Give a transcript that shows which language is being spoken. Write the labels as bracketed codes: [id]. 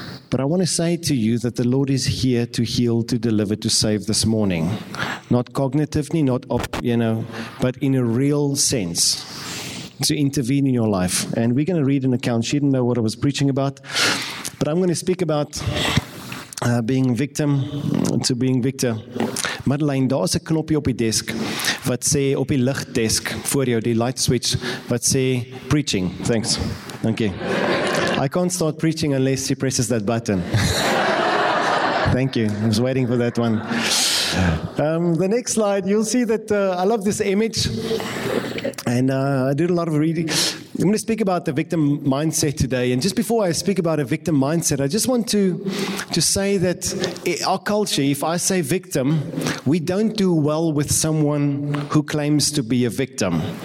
[en] But I want to say to you that the Lord is here to heal, to deliver, to save this morning. Not cognitively, not, but in a real sense, to intervene in your life. And we're going to read an account. She didn't know what I was preaching about, but I'm going to speak about being victim to being victor. [af] Madeleine, daar is 'n knoppie op die desk wat sê op die lig desk voor jou, die light switch wat sê preaching. [en] Thanks. [af] Dankie. [en] I can't start preaching unless she presses that button. Thank you. I was waiting for that one. The next slide, you'll see that I love this image. And I did a lot of reading. I'm going to speak about the victim mindset today. And just before I speak about a victim mindset, I just want to say that our culture, if I say victim, we don't do well with someone who claims to be a victim.